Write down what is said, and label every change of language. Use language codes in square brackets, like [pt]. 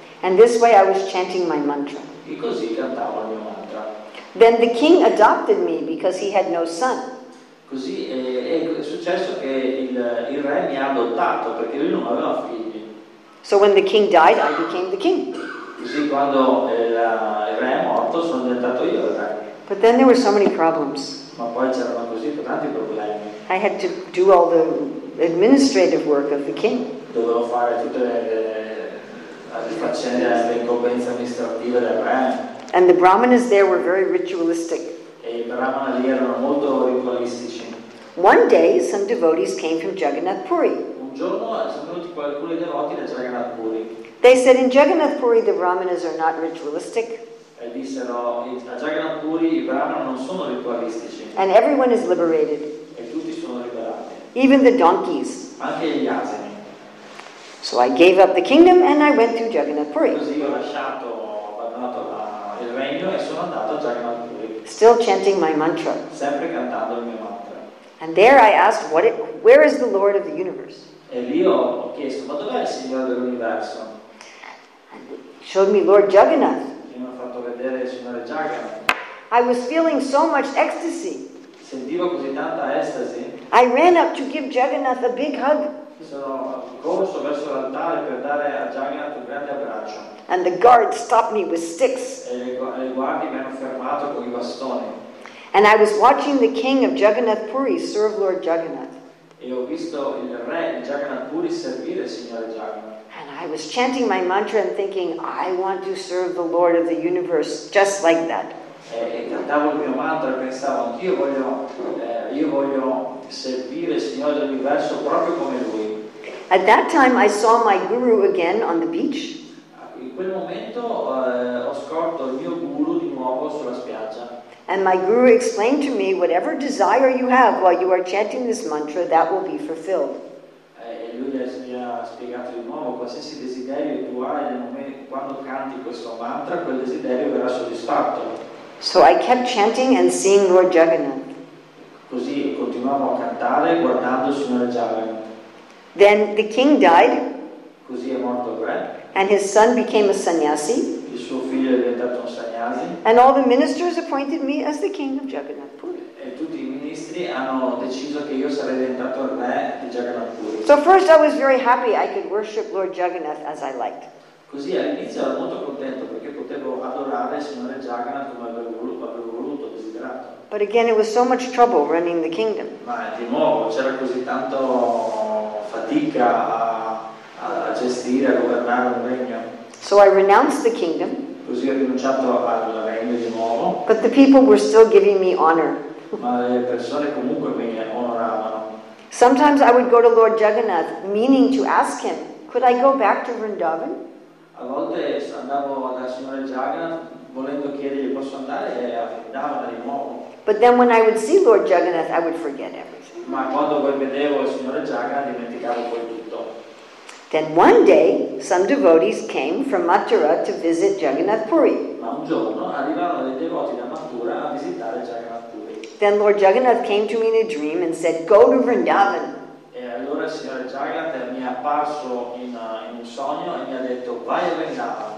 [en] And this way I was chanting my mantra. [it] E così cantavo il mio mantra. [en] Then the king adopted me because he had no son. [it] Così è successo che il re mi ha adottato perché lui non aveva figli. [en] So when the king died, I became the king. [it] Così quando il re è morto, sono diventato io il re. [en] But then there were so many problems. [it] Ma poi c'erano così tanti problemi. [en] I had to do all the administrative work of the king. [it] Dovevo fare tutte le faccende, le incombenze amministrative del re. [en] And the brahmanas there were very ritualistic. [it] E i brahmana lì erano molto ritualistici. [en] One day, some devotees came from Jagannath Puri. [it] Un giorno sono venuti alcuni devoti da Jagannath Puri. [en] They said in Jagannath Puri the brahmanas are not ritualistic. [it] E dissero a Jagannath Puri i brahmana non sono ritualistici. [en] And everyone is liberated. [it] E tutti sono liberati. [en] Even the donkeys. [it] Anche gli asini. [en] So I gave up the kingdom and I went to Jagannath Puri. [it] Così ho lasciato, abbandonato il regno e sono andato a Jagannath Puri. [en] Still chanting my mantra. [it] Sempre cantando il mio mantra. [en] And there I asked, where is the Lord of the universe? [it] E lì ho chiesto, ma dov'è il Signore dell'universo? [en] And it showed me Lord Jagannath. [it] Mi ha fatto vedere il Signore Jagannath. [en] I was feeling so much ecstasy. [it] Sentivo così tanta estasi. [en] I ran up to give Jagannath a big hug. [it] Sono corso verso l'altare per dare a Jagannath un grande abbraccio. [en] And the guards stopped me with sticks. [it] E le guardie mi hanno fermato con i bastoni. [en] And I was watching the king of Jagannath Puri serve Lord Jagannath. [it] E ho visto il re di Jagannath Puri servire il signore Jagannath. [en] And I was chanting my mantra and thinking, I want to serve the Lord of the universe just like that. [it] E cantavo il mio mantra e pensavo, io voglio servire il signore dell'universo proprio come lui. [en] At that time I saw my guru again on the beach. [it] In quel momento ho scorto il mio guru di nuovo sulla spiaggia. [en] And my guru explained to me, whatever desire you have while you are chanting this mantra, that will be fulfilled. [it] E lui mi ha spiegato di nuovo, qualsiasi desiderio tu hai nel momento quando canti questo mantra, quel desiderio verrà soddisfatto. [en] So I kept chanting and seeing Lord Jagannath. [it] Così continuavo a cantare guardando il Signore Jagannath. [en] Then the king died. [it] Così è morto il re. [en] And his son became a sannyasi. [it] Il suo figlio è diventato un sannyasi. [en] And all the ministers appointed me as the king of Jagannath Puri. [it] E tutti i ministri hanno deciso che io sarei diventato il re di Jagannath Puri. [en] So first I was very happy I could worship Lord Jagannath as I liked. [it] Così all'inizio ero molto contento perché potevo adorare il signore Jagannath come avevo voluto, desiderato. [en] But again it was so much trouble running the kingdom. [it] Ma di nuovo c'era così tanto fatica a gestire, a governare un regno. [en] So I renounced the kingdom. [it] Così ho rinunciato al regno di nuovo. [en] But the people were still giving me honor. [it] Ma le persone comunque mi onoravano. [en] Sometimes I would go to Lord Jagannath, meaning to ask him, could I go back to Vrindavan? [it] A volte andavo dal signore Jagannath, volendo chiedergli posso andare a Vrindavan di nuovo. [en] But then when I would see Lord Jagannath, I would forget everything. [it] Ma quando vedevo il signore Jagannath, dimenticavo poi tutto. [en] Then one day, some devotees came from Mathura to visit Jagannath Puri. [it] Ma un giorno arrivarono dei devoti da Mathura a visitare Jagannath Puri. [en] Then Lord Jagannath came to me in a dream and said, go to Vrindavan. [it] E allora il signore Jagannath mi è apparso in un sogno e mi ha detto, vai a Vrindavan.